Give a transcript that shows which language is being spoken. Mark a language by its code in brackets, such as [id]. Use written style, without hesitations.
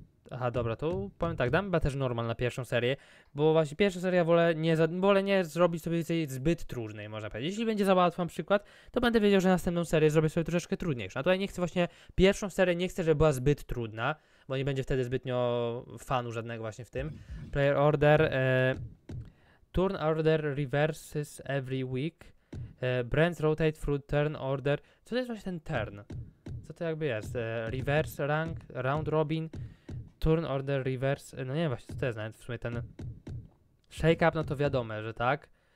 [pl] Aha, dobra, to powiem tak, dam chyba też normal na pierwszą serię, bo właśnie pierwsza seria wolę nie zrobić sobie zbyt trudnej, można powiedzieć. Jeśli będzie za łatwa, na przykład, to będę wiedział, że następną serię zrobię sobie troszeczkę trudniejszą. A tutaj nie chcę właśnie, pierwszą serię nie chcę, żeby była zbyt trudna, bo nie będzie wtedy zbytnio fanu żadnego właśnie w tym. [en] Player order, turn order reverses every week, brands rotate through turn order. [pl] Co to jest właśnie ten turn? Co to jakby jest? [en] Reverse rank, round robin. Turn order reverse, [pl] no nie wiem właśnie co to jest nawet w sumie ten shake up, no to wiadomo, że tak.